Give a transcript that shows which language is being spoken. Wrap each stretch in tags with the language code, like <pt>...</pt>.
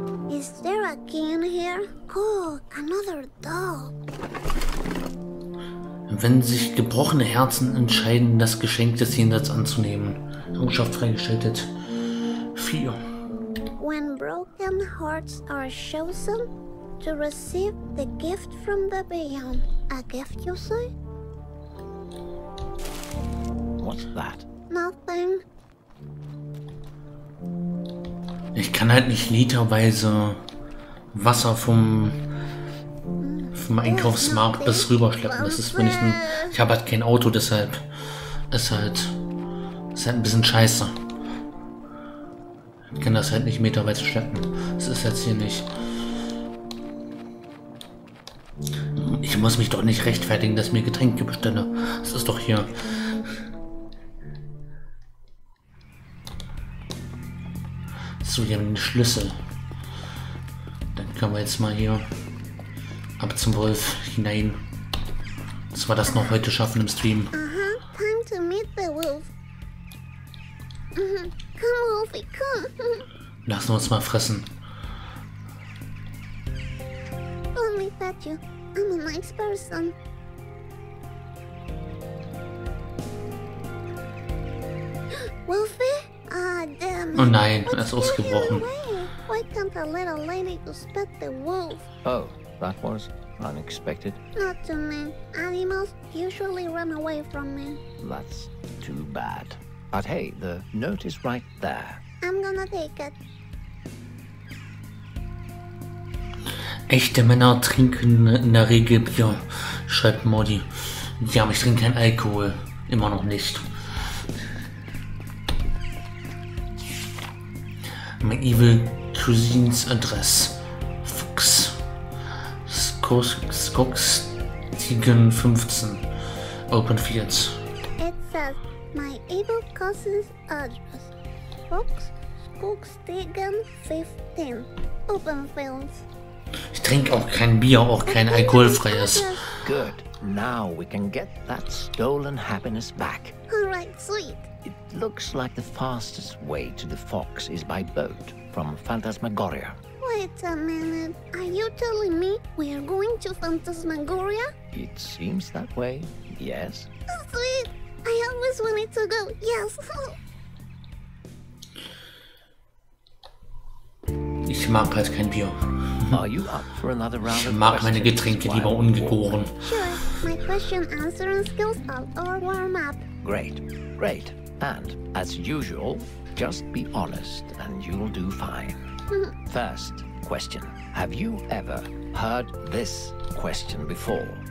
<en>Is there a key in here? Cool, another doll.</en> <de>Wenn sich gebrochene Herzen entscheiden, das Geschenk des Jenseits anzunehmen. Eigenschaft freigeschaltet. 4.</de> <en>When broken hearts are chosen to receive the gift from the beyond. A gift, you say? What's that? Nothing.</en> <de>Ich kann halt nicht literweise Wasser vom Einkaufsmarkt bis rüber schleppen. Das ist, wenn ich ein, ich habe halt kein Auto, deshalb ist halt ein bisschen scheiße. Ich kann das halt nicht meterweise schleppen. Das ist jetzt hier nicht. Ich muss mich doch nicht rechtfertigen, dass ich mir Getränke bestelle. Das ist doch hier. So, wir haben den Schlüssel. Dann können wir jetzt mal hier ab zum Wolf hinein. Dass wir das noch heute schaffen im Stream.</de> <en>Aha, time to meet the wolf.</en> <de>Komm, Wolfie, komm. Lassen wir uns mal fressen.</de> <en>Let me pet you. I'm a nice person. Wolfie? Ah, damn.</en> <de>Oh nein, er ist ausgebrochen.</de> <en>Why can't a little lady respect the wolf? Oh, that was unexpected. Not to me. Animals usually run away from me. That's too bad. But hey, the note is right there. I'm gonna take it.</en> <de>Echte Männer trinken in der Regel Bier, schreibt Mordi. Ja, aber ich trinke keinen Alkohol. Immer noch nicht.</de> <en>My evil cousin's address. Fox. Skox. Ziegen 15. Open Fields. It says, my evil cousin's address. Fox. Skox. Ziegen 15. Open Fields.</en> <de>Ich trinke auch kein Bier, auch kein alkoholfreies.</de> <en>Good. Now we can get that stolen happiness back. Alright, sweet. It looks like the fastest way to the Fox is by boat from Phantasmagoria. Wait a minute. Are you telling me we are going to Phantasmagoria? It seems that way, yes. Sweet. I always wanted to go, yes.</en> <de>Ich mag halt kein Bier.</de> <en>Are you up for another round of questions?</en> <de>Ich mag meine Getränke lieber ungegoren.</de> <en>Sure, my question answering skills are all warm up. Great, great. And as usual, just be honest and you'll do fine. First question. Have you ever heard this question before?</en>